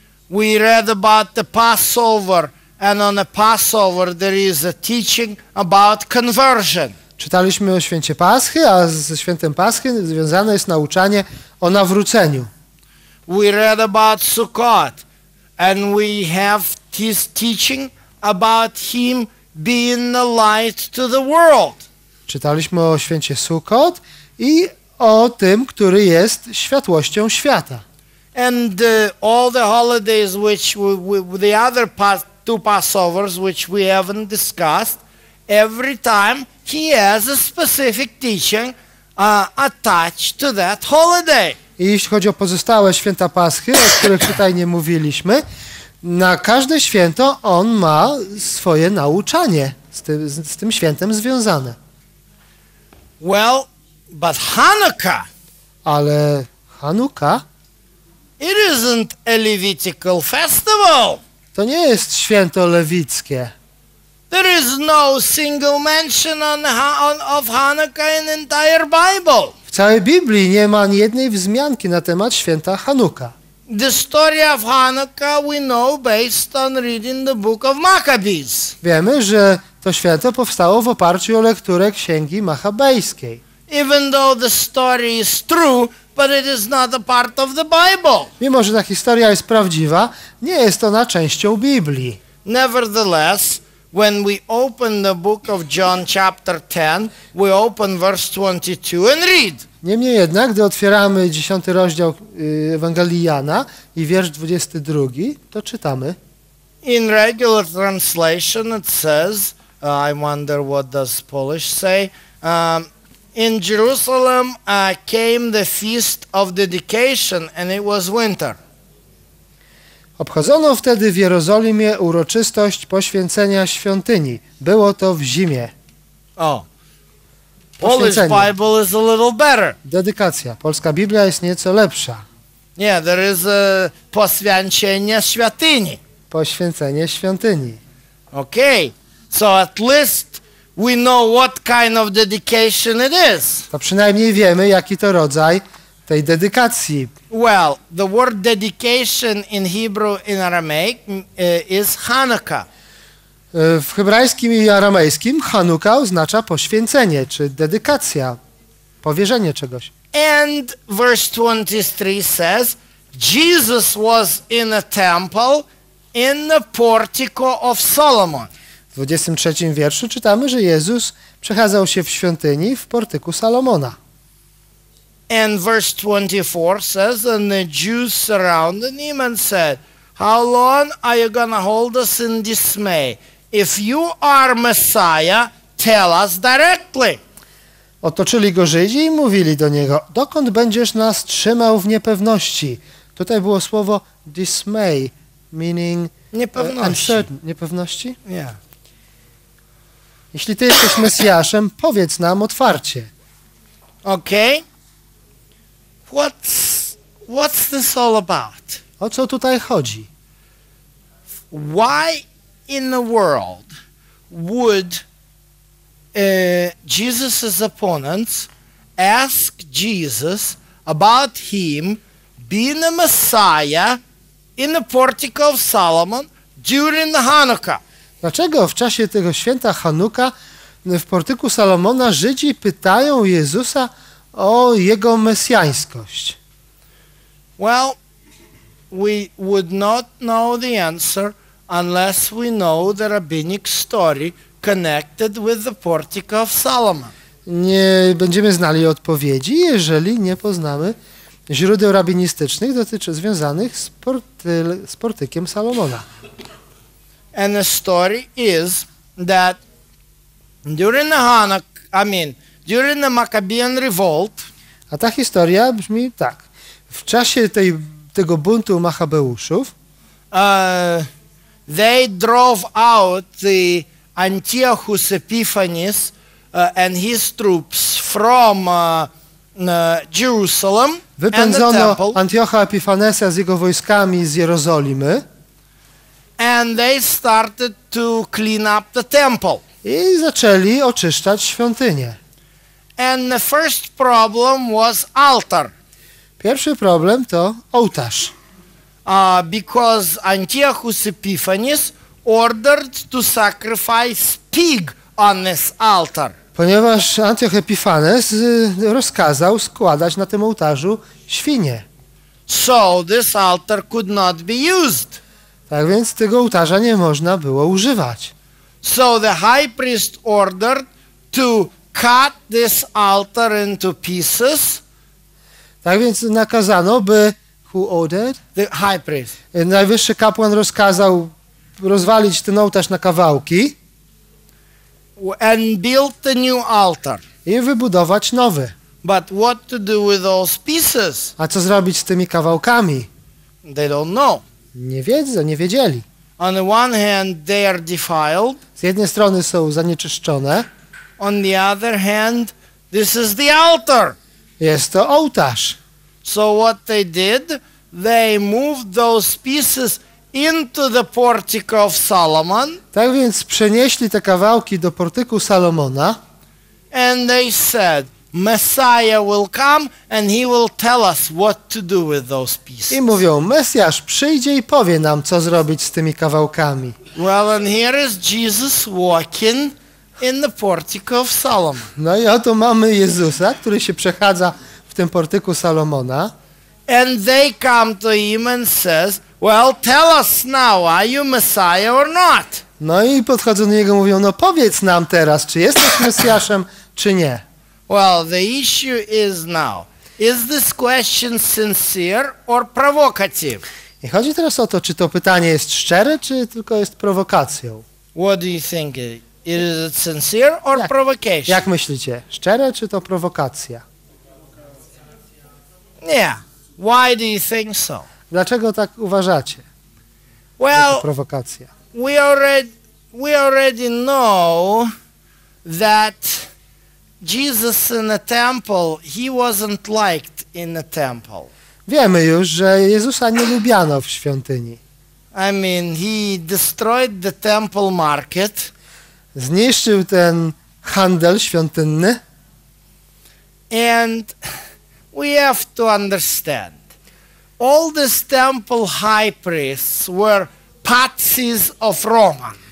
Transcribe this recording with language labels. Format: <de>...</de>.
<en>We read about the Passover. And on the Passover there is a teaching about conversion.</en> <pl>Czytaliśmy o święcie Paschy, a ze świętem Paschy związane jest nauczanie o nawróceniu.</pl> <en>We read about Sukkot and we have his teaching about him being the light to the world.</en> <pl>Czytaliśmy o święcie Sukkot i o tym, który jest światłością świata.</pl> <en>And all the holidays which we, the other past two Passovers, which we haven't discussed, every time he has a specific teaching attached to that holiday.</en> <pl>I jeśli chodzi o pozostałe święta Paschy, o których tutaj nie mówiliśmy, na każde święto on ma swoje nauczanie z tym świętem związane.</pl> <en>Well, but Hanukkah.</en> <pl>Ale Hanukkah?</pl> <en>It isn't a Levitical festival.</en> <pl>To nie jest święto lewickie.</pl> <en>There is no single mention of Hanukkah in entire Bible.</en> <pl>W całej Biblii nie ma ani jednej wzmianki na temat święta Hanukkah.</pl> <en>The story of Hanukkah we know based on reading the book of Maccabees.</en> <pl>Wiemy, że to święto powstało w oparciu o lekturę Księgi Machabejskiej.</pl> <en>Even though the story is true, but it is not a part of the Bible.</en> <pl>Mimo że ta historia jest prawdziwa, nie jest ona częścią Biblii.</pl> <en>Nevertheless, when we open the book of John chapter 10, we open verse 22 and read.</en> <pl>Niemniej jednak, gdy otwieramy 10 rozdział Ewangelii Jana i wiersz 22, to czytamy.</pl> <en>In regular translation it says, I wonder what does Polish say, in Jerusalem came the feast of dedication and it was winter.</en> <pl>Obchodzono wtedy w Jerozolimie uroczystość poświęcenia świątyni. Było to w zimie.</pl> <en>Oh. Polish Bible is a little better.</en> <pl>Dedykacja. Polska Biblia jest nieco lepsza.</pl> <en>Yeah, there is a</en> <pl>poświęcenie świątyni. Poświęcenie świątyni.</pl> <en>Okay. So at least we know what kind of dedication it is.</en> <pl>To przynajmniej wiemy, jaki to rodzaj tej dedykacji.</pl> <en>Well, the word dedication in Hebrew in Aramaic is Hanukkah.</en> <pl>W hebrajskim i aramejskim Chanuka oznacza poświęcenie, czy dedykacja, powierzenie czegoś.</pl> <en>And verse 23 says, Jesus was in a temple in the portico of Solomon.</en> <pl>W 23 wierszu czytamy, że Jezus przechadzał się w świątyni w portyku Salomona.</pl> <en>And verse 24 says, and the Jews surrounded him and said, how long are you gonna hold us in dismay? If you are Messiah, tell us directly.</en> <pl>Otoczyli go Żydzi i mówili do niego, dokąd będziesz nas trzymał w niepewności? Tutaj było słowo dismay,</pl> <en>meaning</en> <pl>niepewności.</pl> <en>Yeah.</en> <pl>Jeśli ty jesteś Mesjaszem, powiedz nam otwarcie.</pl> <en>Okay. What's this all about?</en> <pl>O co tutaj chodzi?</pl> <en>Why in the world would Jesus's opponents ask Jesus about him being the Messiah in the portico of Solomon during the Hanukkah?</en> <pl>Dlaczego w czasie tego święta Hanuka w portyku Salomona Żydzi pytają Jezusa o jego mesjańskość?</pl> <en>Well, we would not know the answer unless we know the rabbinic story connected with the portico of Solomon.</en> <pl>Nie będziemy znali odpowiedzi, jeżeli nie poznamy źródeł rabinistycznych związanych z portykiem Salomona.</pl> <en>And the story is that during the during the Maccabean revolt.</en> <pl>A ta historia brzmi tak. W czasie tego buntu Machabeuszów</pl> <en>they drove out the Antiochus Epiphanes and his troops from Jerusalem and the temple.</en> <pl>Wypędzono Antiocha Epifanesa z jego wojskami z Jerozolimy.</pl> <en>And they started to clean up the temple.</en> <pl>I zaczęli oczyszczać świątynię.</pl> <en>And the first problem was altar.</en> <pl>Pierwszy problem to ołtarz.</pl> <en>Because Antiochus Epiphanes ordered to sacrifice pig on this altar.</en> <pl>Ponieważ Antioch Epifanes rozkazał składać na tym ołtarzu świnie.</pl> <en>So this altar could not be used.</en> <pl>Tak więc tego ołtarza nie można było używać.</pl> <en>So the high priest ordered to cut this altar into pieces.</en> <pl>Tak więc nakazano, by</pl> <en>the high priest.</en> <pl>Najwyższy kapłan rozkazał rozwalić ten ołtarz na kawałki.</pl> <en>And build the new altar.</en> <pl>I wybudować nowy.</pl> <en>But what to do with those pieces?</en> <pl>A co zrobić z tymi kawałkami?</pl> <en>They don't know.</en> <pl>Nie wiedzieli.</pl> <en>On the one hand, they are defiled.</en> <pl>Z jednej strony są zanieczyszczone.</pl> <en>On the other hand, this is the altar.</en> <pl>Jest to ołtarz.</pl> <en>So what they did, they moved those pieces into the portico of Solomon.</en> <pl>Tak więc przenieśli te kawałki do portyku Salomona.</pl> <en>And they said, Messiah will come and he will tell us what to do with those pieces.</en> <pl>I mówią, Mesjasz przyjdzie i powie nam, co zrobić z tymi kawałkami.</pl> <en>Well, and here is Jesus walking in the portico of Solomon.</en> <pl>No i oto mamy Jezusa, który się przechadza w tym portyku Salomona.</pl> <en>And they come to him and says, well, tell us now, are you Messiah or not?</en> <pl>No i podchodzą do niego i mówią, no powiedz nam teraz, czy jesteś Mesjaszem, czy nie.</pl> <en>Well, the issue is now, is this question sincere or provocative?</en> <pl>I chodzi teraz o to, czy to pytanie jest szczere, czy tylko jest prowokacją.</pl> <en>What do you think? Is it sincere or provocation?</en> <pl>Jak myślicie, szczere, czy to prowokacja? Nie.</pl> <en>Yeah. Why do you think so?</en> <pl>Dlaczego tak uważacie?</pl> <en>Well,</en> <pl>to prowokacja.</pl> <en>We already know that Jesus in the temple, he wasn't liked in the temple.</en> <pl>Wiemy już, że Jezusa nie lubiano w świątyni.</pl> <en>I mean, he destroyed the temple market.</en> <pl>Zniszczył ten handel świątynny.</pl> <en>And we have to understand. All these temple high priests were patsies of Romans.</en>